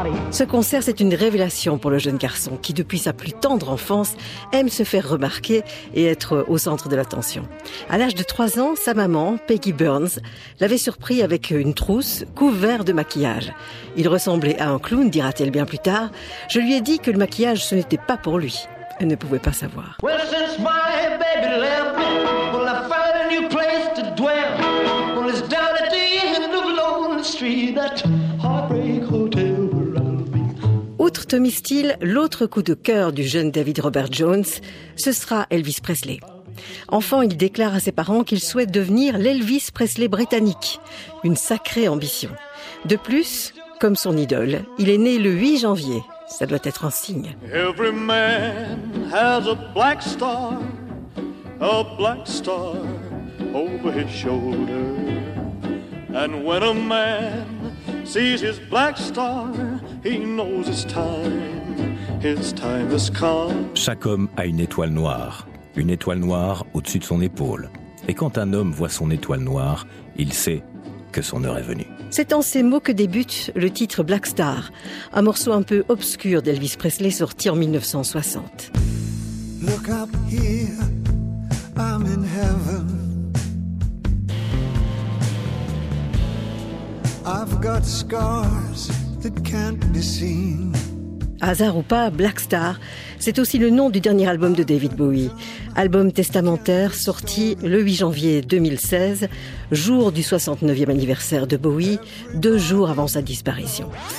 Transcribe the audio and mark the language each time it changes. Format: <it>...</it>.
<fr>Ce concert, c'est une révélation pour le jeune garçon qui, depuis sa plus tendre enfance, aime se faire remarquer et être au centre de l'attention. À l'âge de 3 ans, sa maman, Peggy Burns, l'avait surpris avec une trousse couverte de maquillage. Il ressemblait à un clown, dira-t-elle bien plus tard. Je lui ai dit que le maquillage, ce n'était pas pour lui. Elle ne pouvait pas savoir.</fr> <en>Well, since my baby left me, well, I found a new place to dwell. Well, it's down at the end of Lone Street, that heartbreak hotel.</en> <fr>Outre Tommy Steele, l'autre coup de cœur du jeune David Robert Jones, ce sera Elvis Presley. Enfant, il déclare à ses parents qu'il souhaite devenir l'Elvis Presley britannique. Une sacrée ambition. De plus, comme son idole, il est né le 8 janvier. Ça doit être un signe.</fr> <en>Every man has a black star over his shoulder. And when a man sees his black star, he knows it's time has come.</en> <fr>Chaque homme a une étoile noire au-dessus de son épaule. Et quand un homme voit son étoile noire, il sait que son heure est venue. C'est en ces mots que débute le titre Black Star, un morceau un peu obscur d'Elvis Presley sorti en 1960.</fr> <en>Look up here, I'm in heaven. I've got scars that can't be seen.</en> <fr>Hasard ou pas, Black Star, c'est aussi le nom du dernier album de David Bowie. Album testamentaire sorti le 8 janvier 2016, jour du 69e anniversaire de Bowie, 2 jours avant sa disparition.</fr>